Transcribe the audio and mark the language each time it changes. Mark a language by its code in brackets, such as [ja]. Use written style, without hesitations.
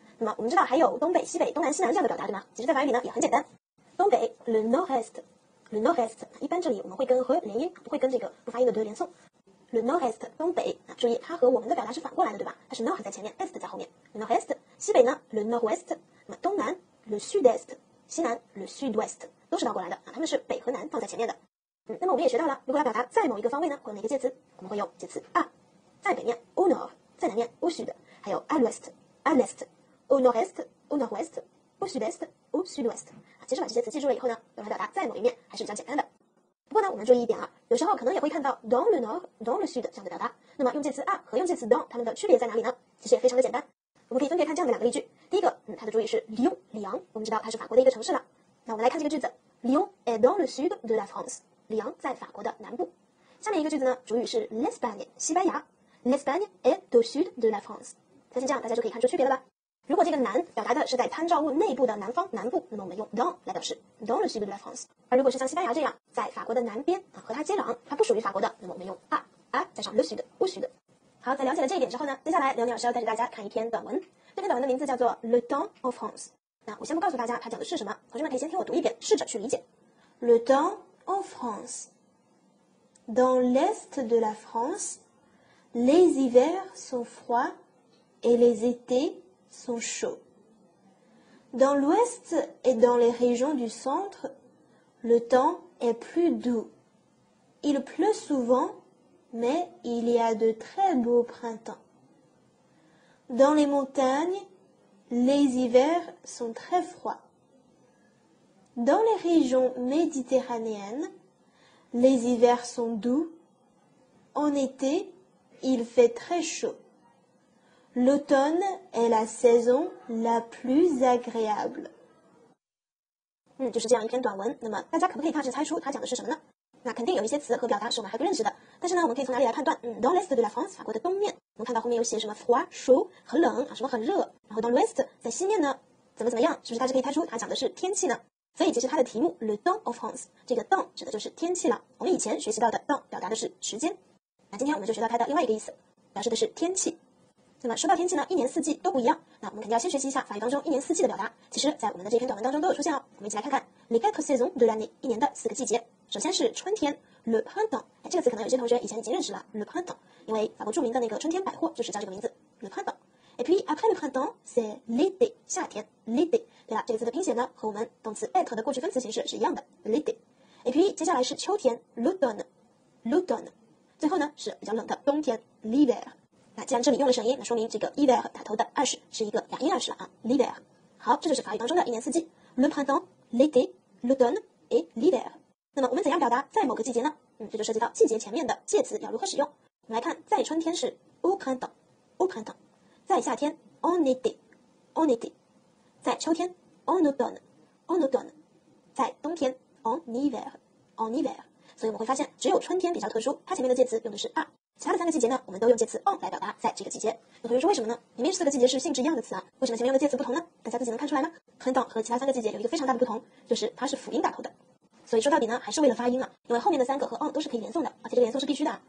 [zh] 那么我们知道还有东北、西北、东南、西南这样的表达，对吗？其实在法语里呢也很简单，东北 le nord-est， le nord-est 一般这里我们会跟和连音，不会跟这个不发音的 de 连诵， le nord-est 东北，注意它和我们的表达是反过来的，对吧？它是 nord 在前面， est 在后面， le nord-est。西北呢 le nord-west， 那么东南 le sud-est， 西南 le sud-west，都是倒过来的啊，他们是北和南放在前面的。那么我们也学到了，如果要表达在某一个方位呢，会用哪个介词？我们会用介词 [fr] à， 在北面 au nord， 在南面 au sud， 还有 à l'ouest， à l'est， au nord-est， au nord-ouest， au sud-est， au sud-ouest。 [zh] 其实把这些词记住了以后呢，用来表达在某一面还是比较简单的。不过呢，我们注意一点啊，有时候可能也会看到 [fr] dans le nord， dans le sud [zh] 这样的表达。那么用介词 à 和用介词 dans 它们的区别在哪里呢？其实也非常的简单，我们可以分别看这样的两个例句。第一个，它的主语是 Lyon， 里昂，我们知道它是法国的一个城市了。那我们来看这个句子， [fr] Lyon est dans le sud de la France， [zh] 里昂在法国的南部。下面一个句子呢，主语是 l'Espagne， 西班牙， [fr] l'Espagne est au sud de la France， [zh] 相信这样大家就可以看出区别了吧。如果这个南表达的是在参照物内部的南方、南部，那么我们用 dans 来表示 [fr] dans le sud de la France。 [zh] 而如果是像西班牙这样，在法国的南边啊，和它接壤，它不属于法国的，那么我们用 à 加上 le sud 无序的。好，在了解了这一点之后呢，接下来刘老师要带着大家看一篇短文。这篇短文的名字叫做 [fr] Le temps en France。 [zh] 那我先不告诉大家它讲的是什么，同学们可以先听我读一遍，试着去理解。 [fr] Le temps en France. Dans l'est de la France, les hivers sont froids et les étés sont chauds. Dans l'ouest et dans les régions du centre, le temps est plus doux. Il pleut souvent, mais il y a de très beaux printemps. Dans les montagnes, les hivers sont très froids. Dans les régions méditerranéennes, les hivers sont doux. En été, il fait très chaud. L'automne est la saison la plus agréable. [zh] 就是这样一篇短文。那么大家可不可以大致猜出它讲的是什么呢？那肯定有一些词和表达是我们还不认识的。但是呢，我们可以从哪里来判断？ [fr] Dans l'est de la France, [zh] 法国的东面，我们看到后面有写什么 froid, chaud, 很冷啊，什么很热。然后 dans l'ouest, 在西面呢，怎么样？是不是大致可以猜出它讲的是天气呢？所以其实它的题目 [fr] Le temps en France [zh] 这个 temps 指的就是天气了。我们以前学习到的 temps 表达的是时间，那今天我们就学到它的另外一个意思，表示的是天气。那么说到天气呢，一年四季都不一样，那我们肯定要先学习一下法语当中一年四季的表达。其实在我们的这篇短文当中都有出现哦，我们一起来看看 [fr] Les quatre saisons de l'année， [zh] 一年的四个季节。首先是春天 Le printemps， 这个词可能有些同学以前已经认识了 Le printemps， 因为法国著名的那个春天百货就是叫这个名字 Le printemps。 [fr] Et puis après le printemps, c'est l'été, [zh] 夏天 [fr] l'été. [zh] 对了，这个词的拼写呢，和我们动词 être 的过去分词形式是一样的 l'été. [fr] Et puis [zh] 接下来是秋天 [fr] l'automne, l'automne. [zh] 最后呢是比较冷的冬天 l'hiver. 那既然这里用了省音，那说明这个 hiver 打头的二十是一个哑音二十了啊 l'hiver. 好，这就是法语当中的一年四季 [fr] le printemps, l'été, l'automne et l'hiver. [zh] 那么我们怎样表达在某个季节呢？这就涉及到季节前面的介词要如何使用。我们来看，在春天是 [fr] au printemps, au printemps. [zh] 在夏天 [fr] en été, en été. [zh] 在秋天 [fr] en automne, en automne. [zh] 在冬天 [fr] en hiver, en hiver. [zh] 所以我们会发现只有春天比较特殊，它前面的介词用的是 à。其他的三个季节呢，我们都用介词 on 来表达在这个季节。有同学说为什么呢？明明四个季节是性质一样的词啊，为什么前面用的介词不同呢？大家自己能看出来吗？ printemps 和其他三个季节有一个非常大的不同，就是它是辅音打头的。所以说到底呢，还是为了发音啊，因为后面的三个和 on 都是可以连诵的，而且这个连诵是必须的。